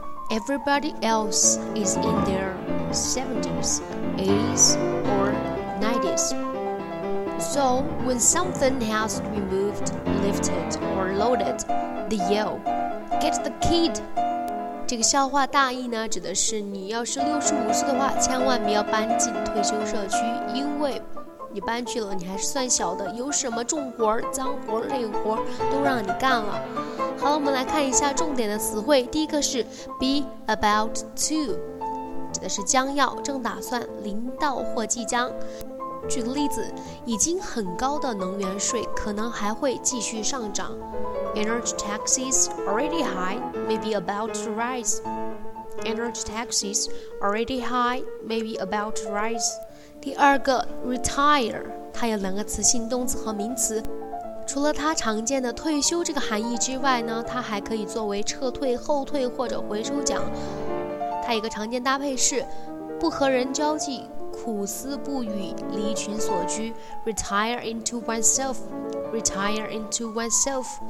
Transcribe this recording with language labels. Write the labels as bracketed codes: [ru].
[en] Everybody else is in their 70s, 80s, or 90s. So, when something has to be moved, lifted, or loaded, they yell, Get the kid! [zh] 这个笑话大意呢，指的是你要是65岁的话，千万不要搬进退休社区，因为你搬去了，你还是算小的，有什么重活、脏活、累活都让你干了。好，我们来看一下重点的词汇，第一个是 be about to, 指的是将要、正打算、临到或即将。举个例子，已经很高的能源税可能还会继续上涨。 [en] Energy taxes already high, maybe about to rise. Energy taxes already high, maybe about to rise. [zh] 第二个 retire, 它有两个词性动词和名词。除了它常见的退休这个含义之外呢，它还可以作为撤退、后退或者回收奖。它一个常见搭配是不和人交际。苦思不语，离群所居 ，retire into oneself，retire into oneself。